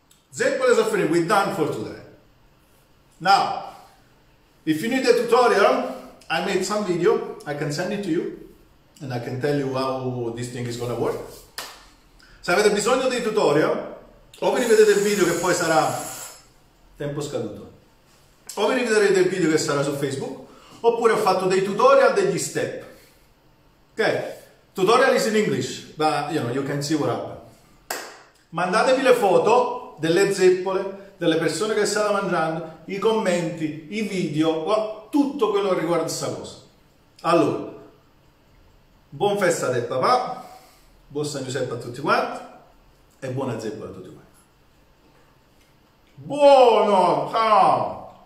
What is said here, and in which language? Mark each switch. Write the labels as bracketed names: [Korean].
[English] Zeppole is a finito, we're done for today. Now, if you need a tutorial, I made some video, I can send it to you, and I can tell you how this thing is gonna work. [Italian] Se avete bisogno di tutorial, o vi rivedete il video che poi sarà tempo scaduto, o vi rivedrete il video che sarà su Facebook, oppure ho fatto dei tutorial degli step. Ok? [English] Tutorial is in English, but you know, you can see what happened. [Italian] Mandatevi le foto delle zeppole, delle persone che stanno mangiando, i commenti, i video, tutto quello che riguarda questa cosa. Allora, buon festa del papà, buon San Giuseppe a tutti quanti e buona zeppola a tutti quanti. Buono! Ciao!